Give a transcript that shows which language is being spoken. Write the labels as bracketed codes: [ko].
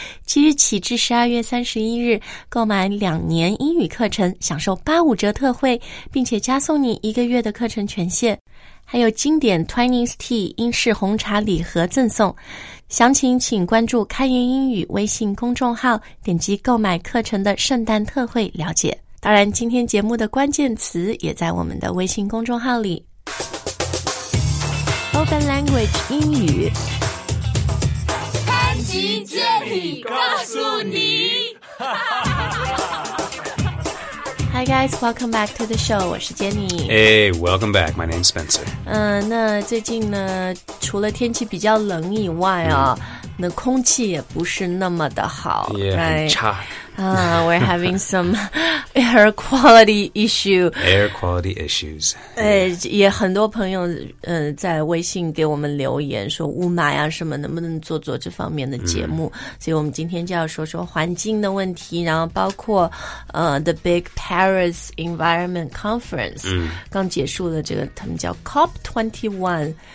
[zh] 即日起至12月31日，购买两年英语课程，享受85折特惠，并且加送你一个月的课程权限，还有经典 Twinings Tea 英式红茶礼盒赠送。详情请关注汉源英语微信公众号，点击购买课程的圣诞特惠了解。当然，今天节目的关键词也在我们的微信公众号里。 Open language 英语，潘吉这里告诉你。 [en] Hi guys, welcome back to the show. [zh] 我是 Jenny. [en] Hey, welcome back. My name's Spencer. [zh] 那最近呢，除了天气比较冷以外啊、哦，那空气也不是那么的好， [en] yeah, right? [zh] 很差。 [en] We're having some air quality issue. Air quality issues. [zh] 也很多朋友在微信给我们留言说雾霾啊什么，能不能做做这方面的节目、所以我们今天就要说说环境的问题，然后包括The Big Paris Environment Conference、刚结束了这个，他们叫 COP21